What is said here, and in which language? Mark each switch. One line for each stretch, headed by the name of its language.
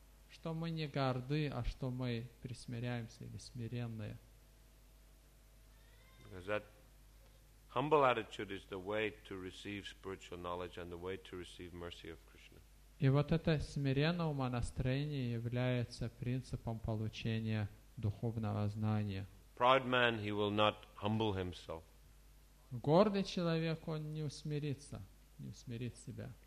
Russian: Что мы не горды, а что мы присмиряемся или смиренные.
English: Because that humble attitude is the way to receive spiritual knowledge and the way to receive mercy of Krishna.
Russian: И вот это смиренное умонастроение является принципом получения духовного знания.
English: Proud man, he will not humble himself.
Russian: Гордый человек, он не усмирится, не усмирит себя.